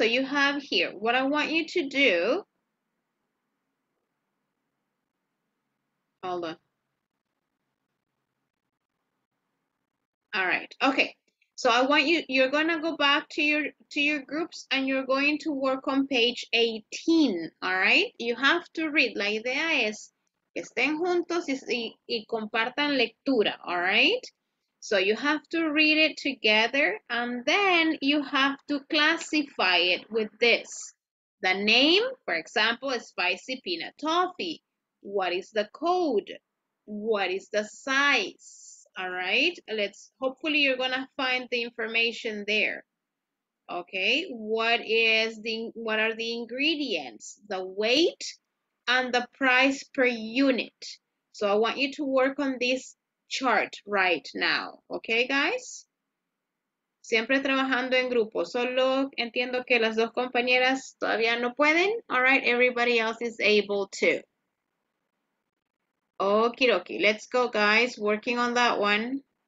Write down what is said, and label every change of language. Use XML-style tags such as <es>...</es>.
<en>So you have here, what I want you to do, hold on. All right. Okay. So I want you're going to go back to your groups and you're going to work on page 18. All right. You have to read.</en> <es>La idea es que estén juntos y compartan lectura.</es> <en>All right. So you have to read it together and then you have to classify it with this. The name, for example, is spicy peanut toffee. What is the code? What is the size? All right, hopefully you're gonna find the information there. Okay, what are the ingredients? The weight and the price per unit. So I want you to work on this chart right now. Okay, guys?</en> <es>Siempre trabajando en grupo. Solo entiendo que las dos compañeras todavía no pueden.</es> <en>All right, everybody else is able to. Okie dokie, let's go, guys. Working on that one.</en>